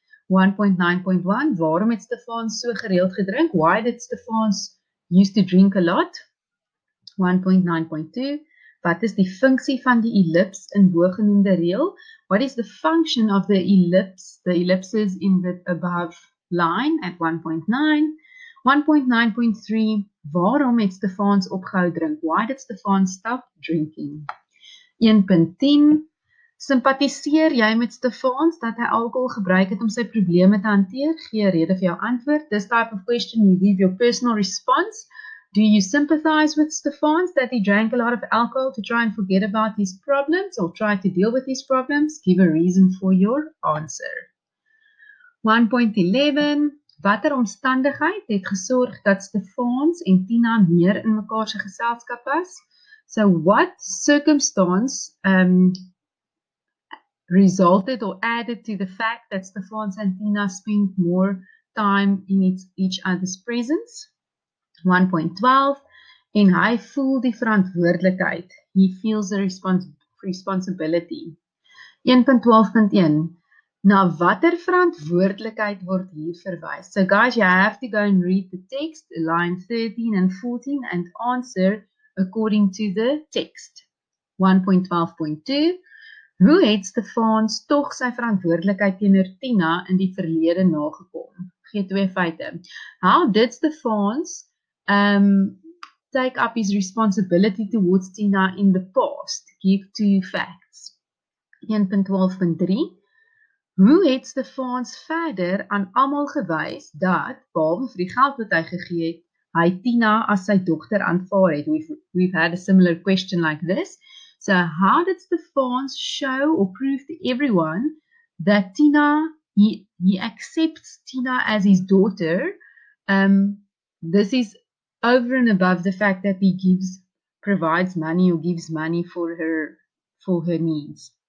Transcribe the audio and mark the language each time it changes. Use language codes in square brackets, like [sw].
[af] 1.9.1, waarom het Stefans so gereeld gedrink? [en] Why did Stefans used to drink a lot? [af] 1.9.2, wat is die funksie van die ellips in bogenoemde reel? [en] What is the function of the ellipse, the ellipses in the above line at 1.9? [af] 1.9.3, waarom het Stefans opgehou drink? [en] Why did Stefans stop drinking? [af] 1.10, sympathiseer jy met Stefans dat hy alcohol gebruik het om sy probleme te hanteer? Gee rede vir jou antwoord. [en] This type of question, you leave your personal response. Do you sympathize with Stefans that he drank a lot of alcohol to try and forget about his problems or try to deal with his problems? Give a reason for your answer. [af] 1.11, watter omstandigheid het gesorg dat Stefans en Tina meer in mekaar se geselskap was? [en] So what circumstance resulted or added to the fact that Stefans and Tina spent more time in each other's presence? [af] 1.12, en hy voel die verantwoordelikheid. [en] He feels the responsibility. [af] 1.12.1, na watter verantwoordelikheid word hier verwys? [en] So guys, you have to go and read the text, line 13 and 14, and answer according to the text. [af] 1.12.2, hoe het Stefans toch sy verantwoordelikheid teenoor Tina in die verlede nagekom? Gee twee feite. [en] How did Stefans take up his responsibility towards Tina in the past? Give two facts. [af] 1.12.3, hoe het Stefans verder aan almal gewys dat, behalwe vir die geld wat hy gegee het, hy Tina as sy dogter aanvaar het? [en] We've had a similar question like this. So, how did Stefans show or prove to everyone that Tina, he accepts Tina as his daughter? This is over and above the fact that he provides money or gives money for her needs.